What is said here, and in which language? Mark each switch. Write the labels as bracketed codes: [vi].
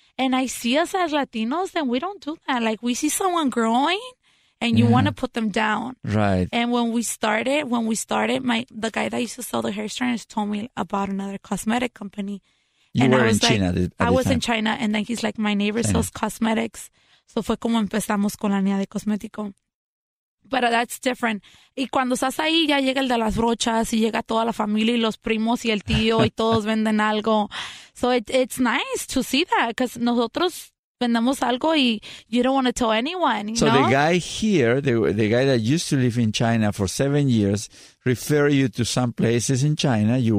[en] And I see us as Latinos, and we don't do that. Like, we see someone growing, and you want to put them down. Right. And when we started, the guy that used to sell the hair straighteners told me about another cosmetic company. I was in China, and then he's like, my neighbor sells cosmetics. [es] So fue como empezamos con la línea de cosmético. [en] But that's different. [es] Y cuando estás ahí, ya llega el de las brochas y llega toda la familia y los primos y el tío y todos venden algo. [en] So it's nice to see that because [es] nosotros vendemos algo y [en] you don't want to tell anyone. So the guy here, the guy that used to live in China for 7 years, refer you to some places in China.